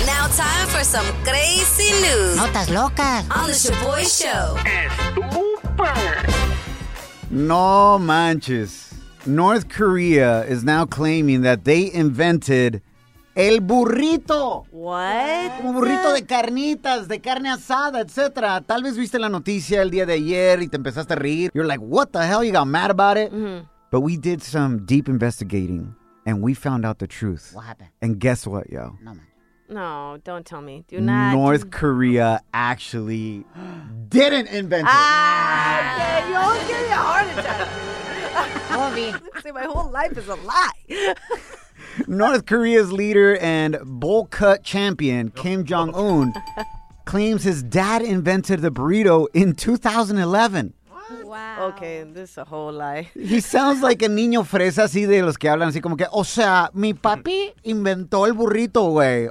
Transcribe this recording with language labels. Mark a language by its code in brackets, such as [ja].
[en] Now time for some crazy news. [es] Notas locas. [en] On the Shaboy Show. [es] No manches. [en] North Korea is now claiming that they invented el burrito. What? [es] Como burrito de carnitas, de carne asada, etc. Tal vez viste la noticia el día de ayer y te empezaste a reír. [en] You're like, what the hell? You got mad about it? Mm-hmm. But we did some deep investigating and we found out the truth. What happened? And guess what, yo? No, man. No, don't tell me. Do not. North Korea actually didn't invent it. Ah, okay. You almost gave me a heart attack. Love me. See, my whole life is a lie. North Korea's leader and bowl cut champion, Kim Jong-un, claims his dad invented the burrito in 2011. What? Wow. Okay, this is a whole lie. He sounds like a [es] niño fresa, así de los que hablan, así como que, o sea, mi papi inventó el burrito, güey.